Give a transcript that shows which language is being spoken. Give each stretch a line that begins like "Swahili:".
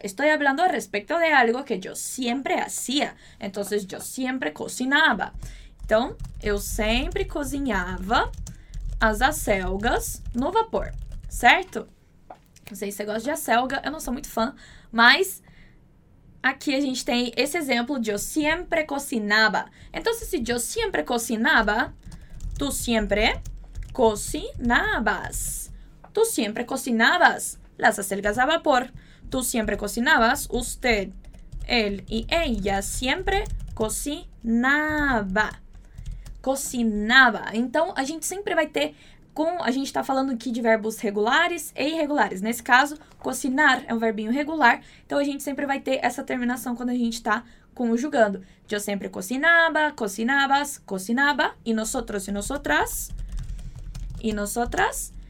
Spanish: Estoy hablando respecto de algo que yo siempre hacía. Entonces, yo siempre cocinaba.
Portuguese: Então, eu sempre cozinhava as acelgas no vapor, certo? Não sei se você gosta de acelga, eu não sou muito fã, mas aqui a gente tem esse exemplo de eu sempre cocinaba. Então, se eu sempre cocinaba, tu sempre cocinabas. Tu sempre cocinabas las acelgas a vapor. Tu sempre cocinabas, usted, él y ella siempre cocinaba. Cocinava. Então, a gente sempre vai ter com. A gente está falando aqui de verbos regulares e irregulares. Nesse caso, cocinar é um verbinho regular. Então, a gente sempre vai ter essa terminação quando a gente está conjugando. Eu sempre cocinava, cocinabas, cocinaba. E nós, nosotras. E nosotras.